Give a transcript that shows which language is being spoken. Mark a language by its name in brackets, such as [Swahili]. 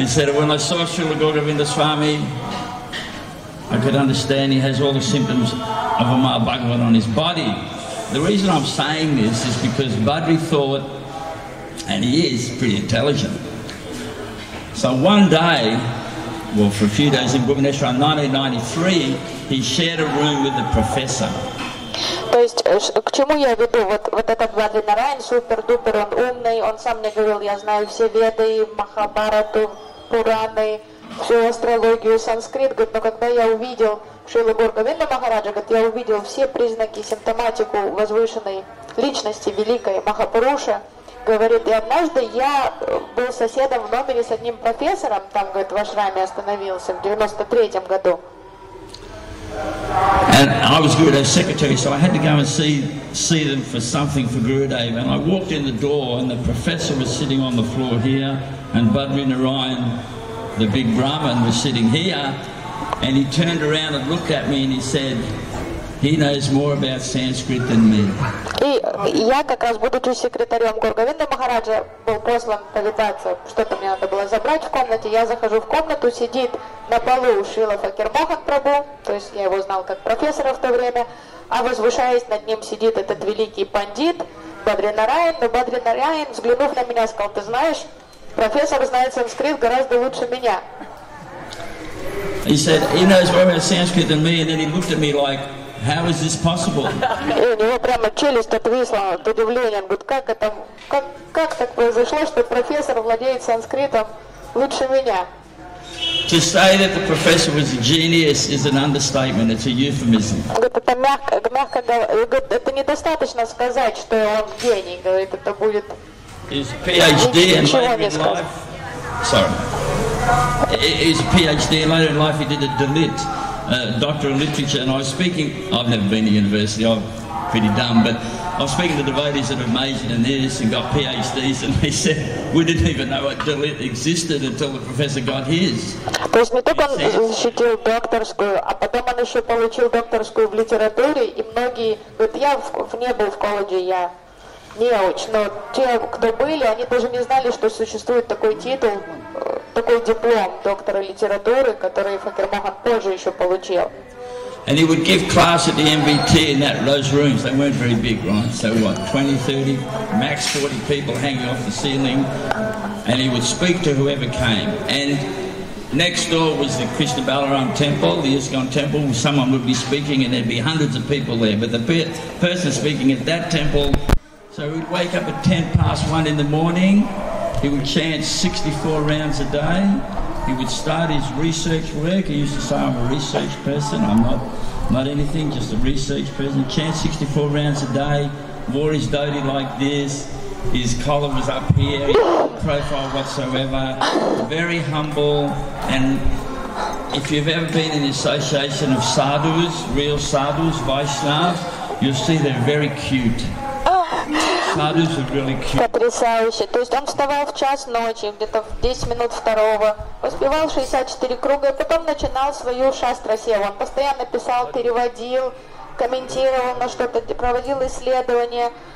[English] He said, when I saw Srila Gauravindaswamy, I could understand he has all the symptoms of a Mahabhagavan on his body. The reason I'm saying this is because Badri thought, and he is pretty intelligent. So one day, well, for a few days in Bhubaneswar, 1993, he shared a room with the professor. [Russian] То есть, к чему я веду? Вот этот Бадринарайан, супер-дупер, он умный, он сам мне говорил, я знаю все веды, Махабарату, Пураны, всю астрологию, санскрит. Говорит, но когда я увидел Шрилу Гауравинда Махараджа, говорит, я увидел все признаки, симптоматику возвышенной личности, великой Махапуруши, говорит, и однажды я был соседом в номере с одним профессором, там, говорит, в ашраме остановился в 93-м году. [English] And I was Gurudev's secretary, so I had to go and see them for something for Gurudev. And I walked in the door, and the professor was sitting on the floor here, and Badrinarayan, the big Brahmin, was sitting here. And he turned around and looked at me, and he said, "He knows more about Sanskrit than me." [Russian] И я как раз будучи секретарем Гауравинда Махараджа был послан повидаться, что-то мне надо было забрать в комнате. Я захожу в комнату, сидит на полу Шрила Факир Мохан Прабу, то есть я его знал как профессора в то время, а возвышаясь над ним сидит этот великий пандит, Бадринараян, но Бадринараян, взглянув на меня, сказал: «Ты знаешь, профессор знает санскрит гораздо лучше меня». [English] He said, he knows more about Sanskrit than me, and then he looked at me like, how is this possible? [Russian] И у него прямо челюсть отвисла от удивления. Он говорит, как это, как так произошло, что профессор владеет санскритом лучше меня? [English] To say that the professor was a genius is an understatement, it's a euphemism. [Russian] Это мягко, говорит, это недостаточно сказать, что он гений, говорит, это будет... [English] His PhD and later in life... Sorry. His PhD and later in life he did a DLit, Doctor of Literature, and I was speaking, I've never been to university, I'm pretty dumb, but I was speaking to devotees that have majored in this and got PhDs, and they said, we didn't even know what DLit existed until the professor got his. [Russian] То есть не только он защитил докторскую, а потом он еще получил докторскую в литературе, и многие, вот я не был в колледже, я неуч, но те, кто были, они даже не знали, что существует такой титул, такой диплом доктора литературы, который Факир Мохан позже еще получил. [English] And he would give class at the MVT in that those rooms. They weren't very big, right? So what, 20, 30, max 40 people hanging off the ceiling. And he would speak to whoever came. And next door was the Krishna Balaram temple, the ISKCON temple. Someone would be speaking and there'd be hundreds of people there. But the person speaking at that temple, so he'd wake up at 10 past 1 in the morning. He would chant 64 rounds a day. He would start his research work. He used to say, I'm a research person. I'm not anything, just a research person. Chant 64 rounds a day, wore his dhoti like this. His collar was up here, his profile whatsoever. Very humble. And if you've ever been in the association of sadhus, real sadhus, Vaishnavas, you'll see they're very cute. [Russian] Потрясающе. То есть он вставал в час ночи, где-то в 10 минут второго, успевал 64 круга, и потом начинал свою шастра-севу. Он постоянно писал, переводил, комментировал на что-то, проводил исследования.